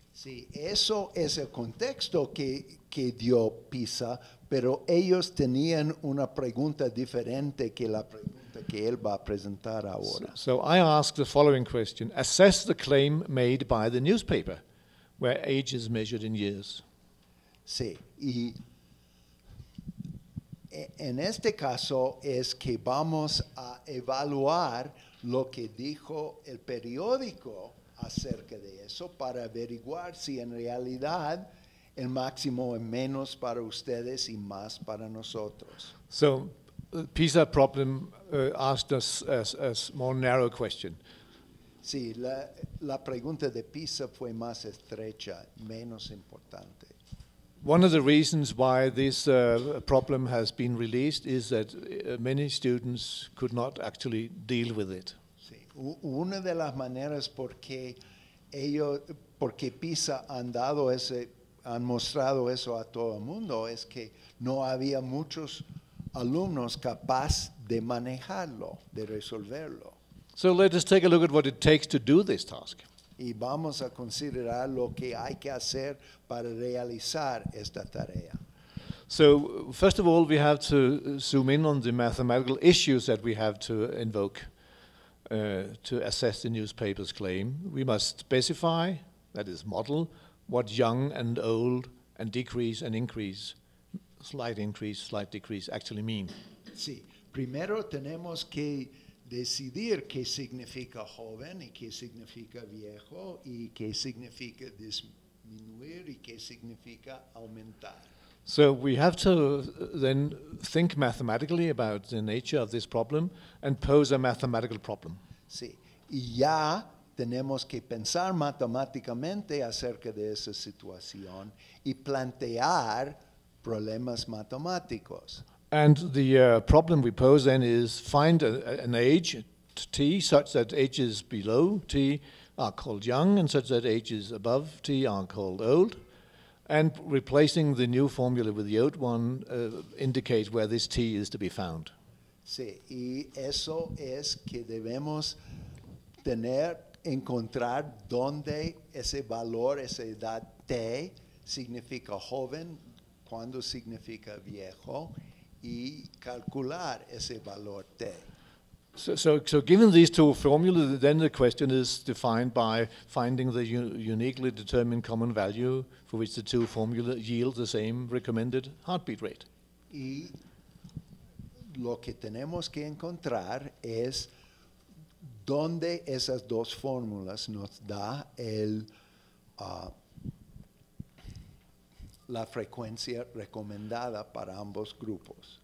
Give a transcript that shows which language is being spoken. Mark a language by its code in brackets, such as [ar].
[es] Sí, eso es el contexto que dio PISA, pero ellos tenían una pregunta diferente que la pregunta que él va a presentar ahora. [en] So I ask the following question. Assess the claim made by the newspaper, where age is measured in years. [es] Sí, y en este caso es que vamos a evaluar lo que dijo el periódico acerca de eso para averiguar si en realidad el máximo es menos para ustedes y más para nosotros. [en] So, the PISA problem asked us a more narrow question. [es] Sí, la pregunta de PISA fue más estrecha, menos importante. [en] One of the reasons why this problem has been released is that many students could not actually deal with it. [es] Sí. Una de las maneras porque PISA han mostrado eso a todo el mundo es que no había muchos alumnos capaz de manejarlo, de resolverlo. [en] So let us take a look at what it takes to do this task. [es] Y vamos a considerar lo que hay que hacer para realizar esta tarea. [en] So, first of all, we have to zoom in on the mathematical issues that we have to invoke to assess the newspaper's claim. We must specify, that is, model, what young and old and increase, slight increase, slight decrease actually mean. [es] Sí. Primero tenemos que decidir qué significa joven y qué significa viejo y qué significa disminuir y qué significa aumentar. [en] So we have to then think mathematically about the nature of this problem and pose a mathematical problem. [es] Sí, y ya tenemos que pensar matemáticamente acerca de esa situación y plantear problemas matemáticos. [en] And the problem we pose then is find an age, t, such that ages below t are called young, and such that ages above t are called old. And replacing the new formula with the old one indicates where this t is to be found. [es] Sí, y eso es que debemos tener, encontrar dónde ese valor, esa edad t, significa joven, cuando significa viejo, y calcular ese valor t. [en] So given these two formulas, then the question is defined by finding the uniquely determined common value for which the two formulas yield the same recommended heartbeat rate. [es] Y lo que tenemos que encontrar es dónde esas dos fórmulas nos da la frecuencia recomendada para ambos grupos.